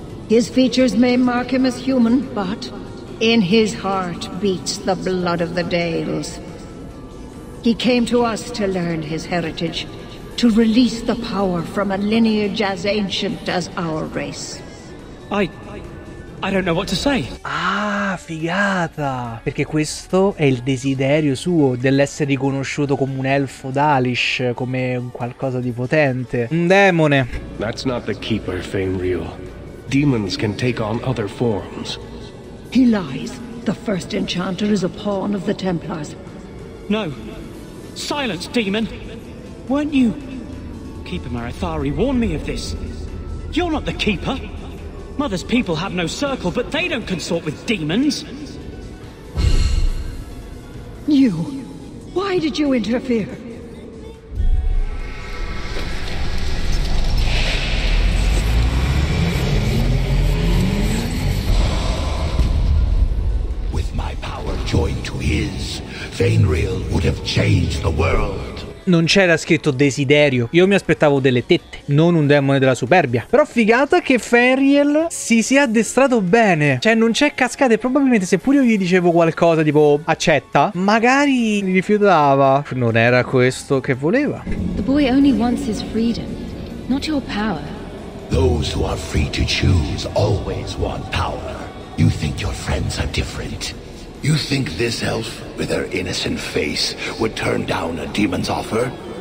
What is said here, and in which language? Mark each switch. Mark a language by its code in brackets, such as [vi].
[en] His features may mark him as human, but in his heart beats the blood of the Dales. He came to us to learn his heritage, to release the power from a lineage as ancient as our race. I don't know what to say. [it] Figata. Perché questo è il desiderio suo dell'essere riconosciuto come un elfo d'Alish, come un qualcosa di potente, un demone. [en] That's not the keeper, Fainreal. Demons can take on other forms. He lies. The first enchanter is a pawn of the Templars. No. Silence, demon. Weren't you Keeper Marathari? Warn me of this. You're not the keeper. Mother's people have no circle, but they don't consort with demons. You? Why did you interfere? With my power joined to his, Fainreal would have changed the world. [it] Non c'era scritto desiderio. Io mi aspettavo delle tette, non un demone della superbia. Però figata che Fainreal si sia addestrato bene. Cioè non c'è cascata, e probabilmente se pure io gli dicevo qualcosa tipo accetta, magari mi rifiutava. Non era questo che voleva. [en] The boy only wants his freedom, not your power. Those who are free to choose always want power. You think your friends are different? You think this elf, with her innocent face, would turn down a demon's offer?